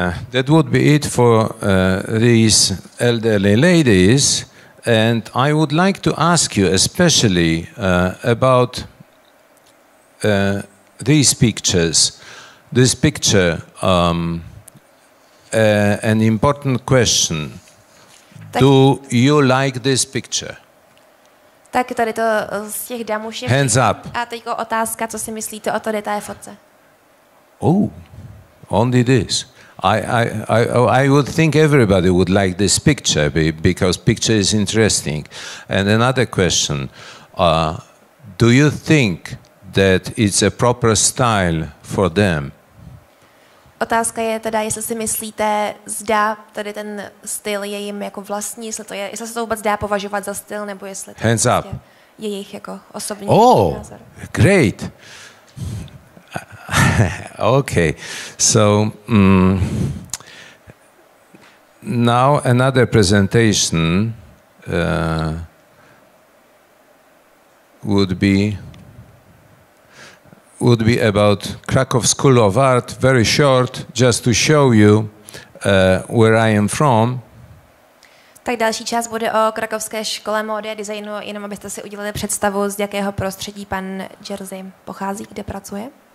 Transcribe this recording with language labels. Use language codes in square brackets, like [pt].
[en] That would be it for these elderly ladies, and I would like to ask you especially about these pictures. This picture, an important question. Tak, do you like this picture? [cs] Tak tady to z těch dám už ještě. [en] Hands up. [cs] A teď otázka, co si myslíte o tady té fotce? [en] Oh, only this. I would think everybody would like this picture because picture is interesting. And another question, do you think that it's a proper style for them? [cs] Otázka je teda, jestli si myslíte, zda tady ten styl je jim jako vlastní, jestli to je, jestli se to vůbec dá považovat za styl, nebo jestli to [en] hands up. [cs] Je jejich jako osobní názor. [en] Oh, great. Okay, so now another presentation would be about Krakow School of Art. Very short, just to show you where I am from. [cs] Tak další část bude o Krakovské škole módy a designu, jenom abyste si udělali představu, z jakého prostředí pan Jerzy pochází, kde pracuje.